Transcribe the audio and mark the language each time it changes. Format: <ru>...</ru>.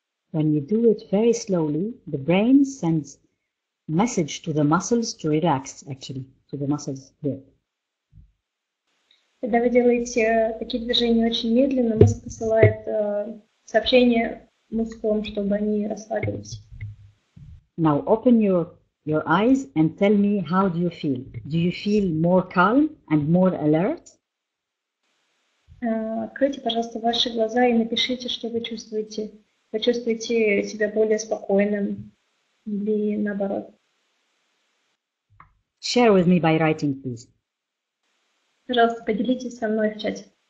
<en>When you do it very slowly, the brain sends message to the muscles to relax, actually, to the muscles here.</en> <ru>Когда вы делаете такие движения очень медленно, мозг посылает сообщение мускулам, чтобы они расслабились.</ru> <en>Now open your eyes and tell me how do you feel. Do you feel more calm and more alert?</en> <ru>Откройте, пожалуйста, ваши глаза и напишите, что вы чувствуете. Вы чувствуете себя более спокойным или наоборот?</ru> <en>Share with me by writing, please.</en> <ru>Пожалуйста, поделитесь со мной в чате.</ru>